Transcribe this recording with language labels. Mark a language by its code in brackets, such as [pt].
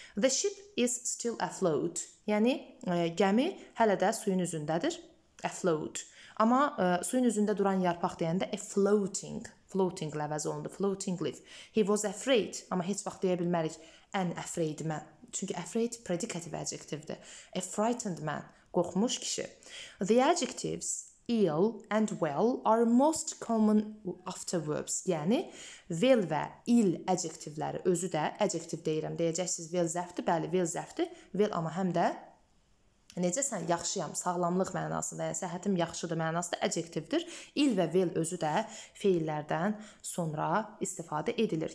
[en] The ship is still afloat. [az] Yəni, gəmi hələ də suyun üzündədir, afloat. Amma suyun üzündə duran yarpaq deyəndə a floating, floating ləvəzi olundu, [en] floating leaf. He was afraid, [az] amma heç vaxt deyə bilmərik, [en] an afraid man. [az] Çünki afraid predicative adjektivdir. [en] A frightened man, [az] qorxmuş kişi. [en] The adjectives ill and well are most common after verbs. [az] Yəni, will və ill adjektivləri özü də, adjektiv deyirəm, deyəcəksiniz, will zəfdir, bəli, will zəfdir, will amma həm də necəsən, yaxşıyam, sağlamlıq mənasında, yəni səhətim yaxşıdır mənasında adjektivdir. İl və vil özü də feillərdən sonra istifadə edilir.